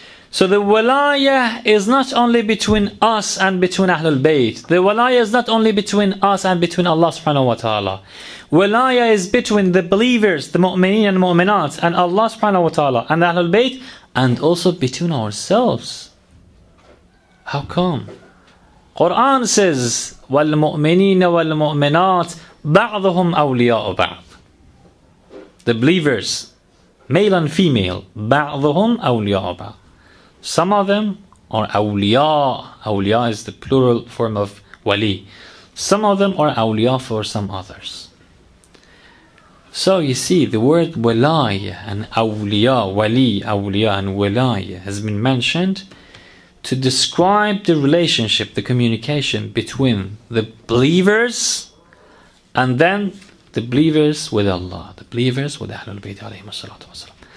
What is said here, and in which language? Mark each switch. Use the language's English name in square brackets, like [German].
[English] So the walaya is not only between us and between Ahlul Bayt. The walaya is not only between us and between Allah subhanahu wa ta'ala. Walaya is between the believers, the mu'mineen and mu'minat, and Allah subhanahu wa ta'ala, and Ahlul Bayt, and also between ourselves. How come? Quran says, [Arabic] وَالْمُؤْمِنِينَ وَالْمُؤْمِنَاتِ بَعْضُهُمْ أَوْلِيَاءُ بَعْضٍ. [English] The believers, male and female, [Arabic] بَعْضُهُمْ أَوْلِيَاءُ بَعْضٍ. [English] Some of them are awliya. Awliya is the plural form of wali. Some of them are awliya for some others. So you see, the word walaya and awliya, wali, awliya, and walaya has been mentioned to describe the relationship, the communication between the believers and then the believers with Allah, the believers with Ahlul Bayt alayhi salatu wasalam.